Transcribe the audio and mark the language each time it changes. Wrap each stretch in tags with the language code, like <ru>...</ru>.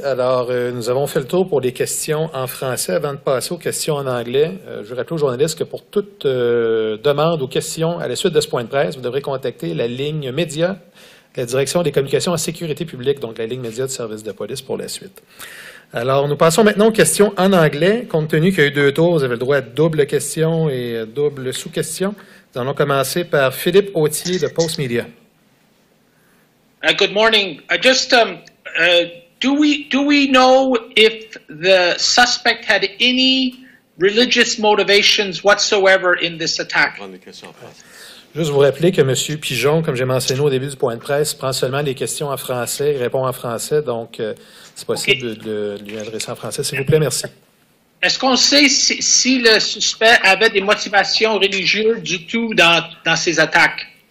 <fr>Alors, nous avons fait le tour pour les questions en français. Avant de passer aux questions en anglais, je rappelle aux journalistes que pour toute demande ou question à la suite de ce point de presse, vous devrez contacter la ligne média, la Direction des communications en sécurité publique, donc la ligne média du service de police pour la suite. Alors, nous passons maintenant aux questions en anglais. Compte tenu qu'il y a eu deux tours, vous avez le droit à double question et double sous-question. Nous allons commencer par Philippe Autier de Post Media.</fr> <en>Good morning. Do we know if the suspect had any religious motivations whatsoever in this attack?</en> <fr>Juste vous rappeler que M. Pigeon, comme j'ai mentionné au début du point de presse, prend seulement les questions en français, répond en français, donc c'est possible de lui adresser en français. S'il vous plaît, merci. Est-ce qu'on sait si le suspect avait des motivations religieuses du tout dans ses attaques?</fr>